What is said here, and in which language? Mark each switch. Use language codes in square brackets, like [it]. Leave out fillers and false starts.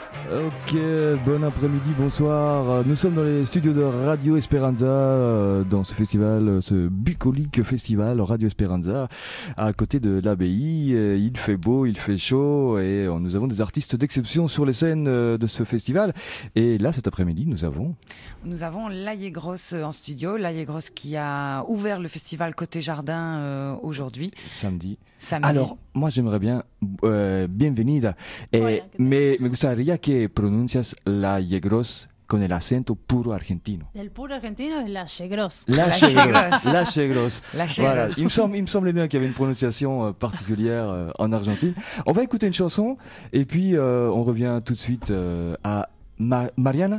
[fr] Ok, bon après-midi, bonsoir. Nous sommes dans les studios de Radio Esperanza, dans ce festival, ce bucolique festival Radio Esperanza, à côté de l'abbaye. Il fait beau, il fait chaud, et nous avons des artistes d'exception sur les scènes de ce festival. Et là, cet après-midi, nous avons Layegros en studio. Layegros qui a ouvert le festival Côté Jardin aujourd'hui. Samedi. Alors, moi j'aimerais bien, [es] bienvenida, me gustaría que pronuncias Layegros con el acento puro argentino. El puro argentino es Layegros. [fr] Layegros. Voilà. Il me semble bien qu'il y avait une prononciation particulière en Argentine. On va écouter une chanson et puis on revient tout de suite à Mariana.